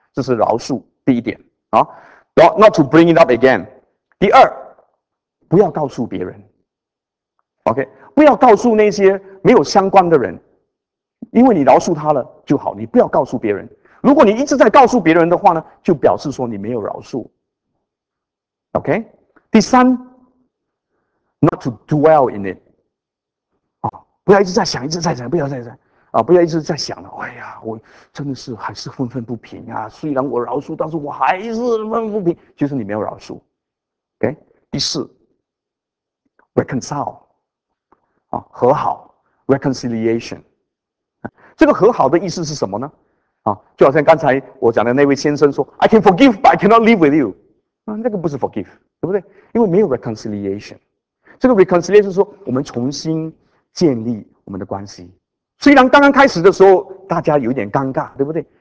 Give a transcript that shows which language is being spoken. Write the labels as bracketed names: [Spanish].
[Chinese] 这是饶恕第一点啊。 [English] Not to bring it up again。 [Chinese] 第二，不要告诉别人。 OK， 不要告诉那些没有相关的人，因为你饶恕他了就好，你不要告诉别人。如果你一直在告诉别人的话呢，就表示说你没有饶恕。 [English] OK， [Chinese] 第三 [English] ，not to dwell in it。 [Chinese] 不要一直在想，不要一直在想了。哎呀，我真的是还是愤愤不平啊！虽然我饶恕，但是我还是愤愤不平。就是你没有饶恕。 [English] OK， [Chinese] 第四 [English] ，reconcile， [Chinese] 和好 [English] ，reconciliation。 [Chinese] 这个和好的意思是什么呢？就好像刚才我讲的那位先生说 [English] I can forgive but I cannot live with you， [Chinese] 那个不是 forgive， 对不对？因为没有 reconciliation。这个 reconciliation 是说我们重新建立我们的关系，虽然刚刚开始的时候大家有点尴尬，对不对？